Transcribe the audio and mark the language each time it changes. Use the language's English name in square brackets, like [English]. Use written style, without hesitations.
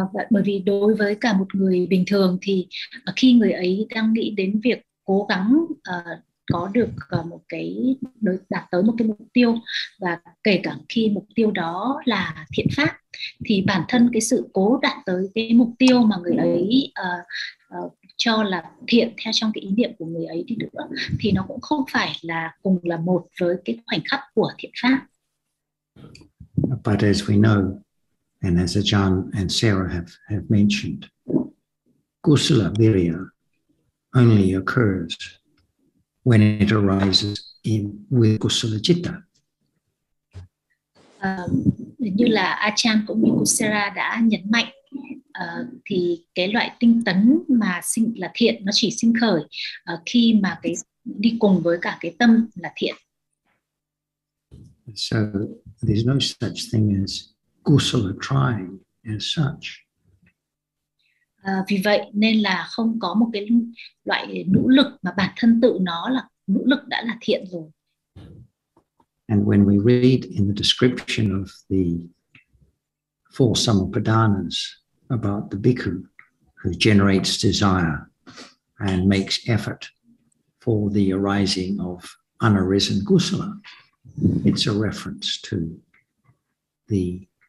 [Vietnamese] Bởi vì đối với cả một người bình thường thì khi người ấy đang nghĩ đến việc cố gắng có được một cái đạt tới một cái mục tiêu, và kể cả khi mục tiêu đó là thiện pháp, thì bản thân cái sự cố đạt tới cái mục tiêu mà người ấy cho là thiện theo trong cái ý niệm của người ấy đi nữa, thì nó cũng không phải là cùng là một với cái khoảnh khắc của thiện pháp. [English] But as we know, and as Ajahn and Sarah have mentioned, kusala virya only occurs when it arises in with kusala citta. [Vietnamese] Như là Ajahn cũng như Kusala đã nhấn mạnh, thì cái loại tinh tấn mà sinh là thiện nó chỉ sinh khởi khi mà cái đi cùng với cả cái tâm là thiện. [English] So there's no such thing as kusala trying as such. [Vietnamese] Vì vậy nên là không có một cái loại nỗ lực mà bản thân tự nó là nỗ lực đã là thiện rồi. [English] And when we read in the description of the four samuppadanas about the bhikkhu who generates desire and makes effort for the arising of unarisen kusala, it's a reference to the